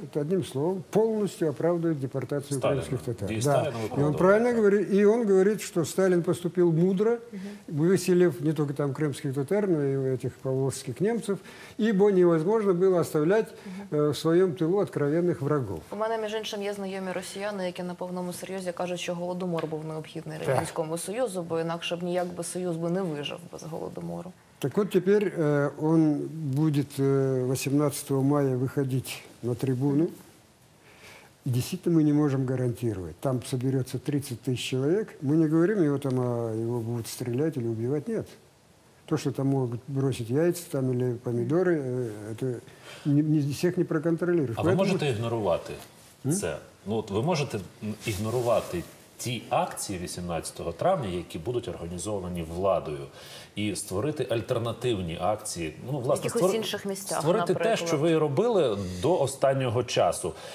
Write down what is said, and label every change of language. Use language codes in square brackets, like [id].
[ru] Это одним словом полностью оправдывает депортацию Сталина. Крымских татар. И, да. И он правильно говорит, и он говорит, что Сталин поступил мудро, выселив не только там крымских татар, но и этих поволжских немцев, ибо невозможно было оставлять в своем тылу откровенных врагов. [uk] У меня, між іншим, є знайомі росіяни, які на повному серйозі кажуть, що Голодомор був необхідний Радянському Союзу, бо інакше б ніяк би Союз би не вижив без Голодомору. [ru] Так вот теперь он будет 18 мая выходить на трибуну. И действительно, мы не можем гарантировать. Там соберется 30 тысяч человек. Мы не говорим, его там его будут стрелять или убивать. Нет. То, что там могут бросить яйца там, или помидоры, это не всех не проконтролируешь. А поэтому... вы можете игнорувати это? [uk] Ну, вот вы можете игнорувати ті акції 18 травня, які будуть організовані владою, і створити альтернативні акції, ну, власне, інших місцях, створити наприклад. Те, що ви робили до останнього часу.